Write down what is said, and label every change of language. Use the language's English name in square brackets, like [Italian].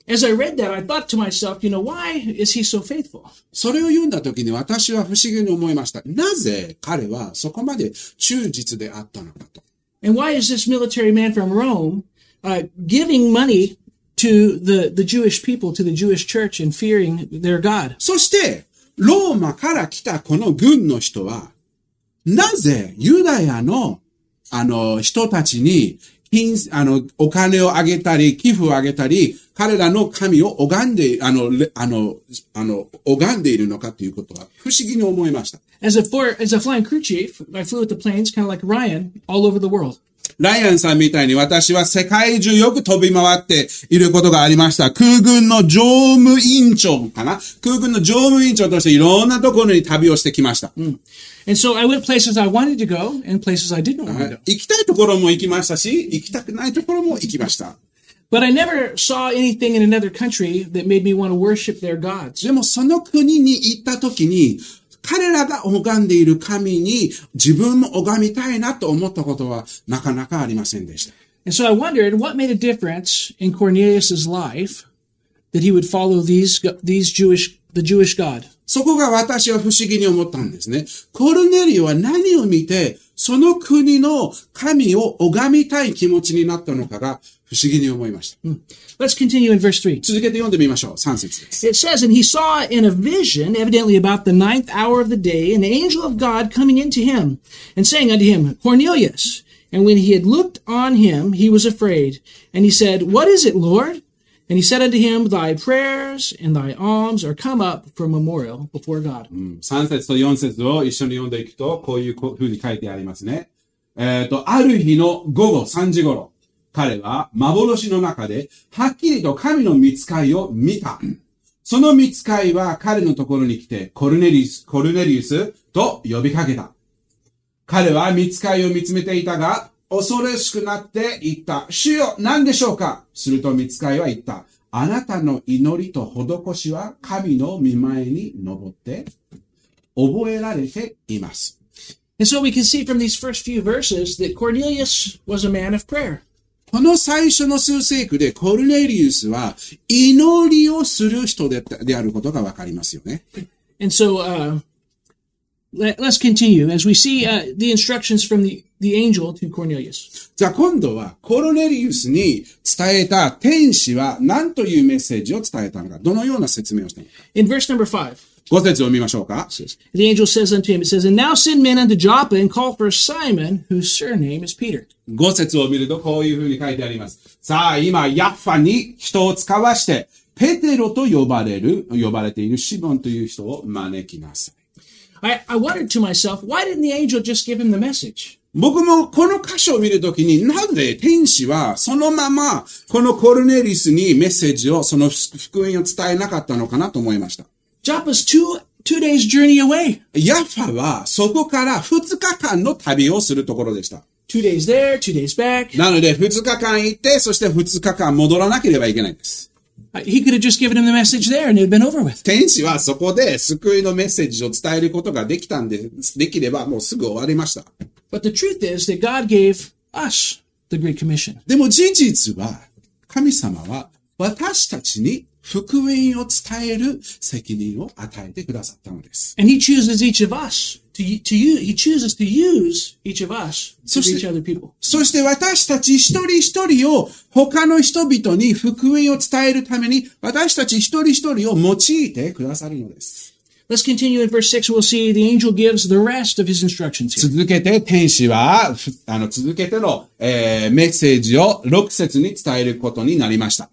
[English] As I read that, I thought to myself, you know, why is he so faithful? [Japanese] それを読んだ時に私は不思議に思いました。なぜ彼はそこまで忠実であったのかと。 [English] And why is this military man from Rome, giving money to the Jewish people, to the Jewish church and fearing their God? [Japanese] そして、ローマから来たこの軍の人は、なぜユダヤの人たちにお金をあげたり、寄付をあげたり、彼らの神を拝んでいるのかということは不思議に思いました。 [English] As a flying crew chief, I flew with the planes, kind of like Ryan, all over the world. [Japanese] ライアンさんみたいに私は世界中よく飛び回っていることがありました。空軍の乗務員長かな？空軍の乗務員長としていろんなところに旅をしてきました。 [English] And so I went places I wanted to go and places I didn't want to go. [Japanese] 行きたいところも行きましたし、行きたくないところも行きました。 [English] But I never saw anything in another country that made me want to worship their gods. [Japanese] でもその国に行った時に、彼らが拝んでいる神に自分も拝みたいなと思ったことはなかなかありませんでした。 [English] And so I wondered what made a difference in Cornelius's life that he would follow the Jewish God. [Japanese] そこが私は不思議に思ったんですね。コルネリオは何を見てその国の神を拝みたい気持ちになったのかが不思議に思いました。 [English] Let's continue in verse 3. [Japanese] 続けて読んでみましょう。 3節です。 [English] It says, and he saw in a vision, evidently about the ninth hour of the day, an angel of God coming into him and saying unto him, Cornelius. And when he had looked on him, he was afraid. And he said, What is it, Lord? And he said unto him, Thy prayers and thy alms are come up for memorial before God. [Japanese] 3節と4節を一緒に読んでいくと、こういうふうに書いてありますね。ある日の午後3時頃。彼は幻の中ではっきりと神の見つかりを見た。その見つかりは彼のところに来てコルネリウスと呼びかけた。彼は見つかりを見つめていたが恐れしくなって言った。主よ、何でしょうか？すると見つかりは言った。あなたの祈りと施しは神の御前に上って覚えられています。 [English] And so we can see from these first few verses that Cornelius was a man of prayer. [Japanese] この最初の数節でコルネリウスは祈りをする人であることがわかりますよね。 [English] And so, let's continue as we see, the instructions from the angel to Cornelius. [Japanese] じゃあ今度はコルネリウスに伝えた天使は何というメッセージを伝えたのか、どのような説明をしたのか。 [English] In verse number 5. [Japanese] 5節を見ましょうか。 [English] The angel says unto him, it says, and now send men unto Joppa and call for Simon, whose surname is Peter. [Japanese] 5節を見るとこういうふうに書いてあります。さあ、今、ヤッファに人を使わして、ペテロと呼ばれているシモンという人を招きなさい。 [English] I wondered to myself, why didn't the angel just give him the message? [Japanese] 僕もこの箇所を見るときに、なんで天使はそのままこのコルネリスにメッセージを、その福音を伝えなかったのかなと思いました。 [English] Joppa's two days journey away. [Japanese] Yaffa はそこから2日間の旅をするところでした。 [English] Two days there, two days back. [Japanese] なので2日間行って、そして2日間戻らなければいけないんです。 [English] He could have just given him the message there and it had been over with. [Japanese] 天使はそこで救いのメッセージを伝えることができたんで、できればもうすぐ終わりました。 [English] But the truth is that God gave us the Great Commission. [Japanese] でも事実は、神様は私たちに福音を伝える責任を与えてくださったのです。 [English] And he chooses each of us he chooses to use each of us to reach other people. [Japanese] そして私たち一人一人を他の人々に福音を伝えるために私たち一人一人を用いてくださるのです。 [English] Let's continue in verse 6. We'll see the angel gives the rest of his instructions here. [Japanese] 続けて天使は、続けての、メッセージを6節に伝えることになりました。